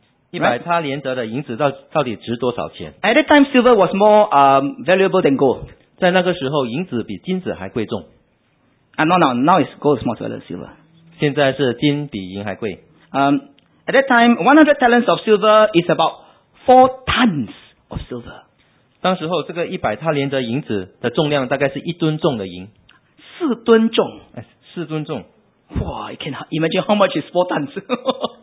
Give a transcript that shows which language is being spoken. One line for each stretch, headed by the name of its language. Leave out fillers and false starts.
Chinese: 一百他连德的银子到底值多少钱？
English: At that time, silver was more valuable than gold.
Chinese: 在那个时候，银子比金子还贵重。
English: And now is gold is more valuable than silver.
Chinese: 现在是金比银还贵。
English: At that time, 100 talents of silver is about 4 tons of silver.
Chinese: 当时候，这个一百他连德银子的重量大概是一吨重的银。四吨重。四吨重。
English: 哇 ，you can imagine how much is 4 tons.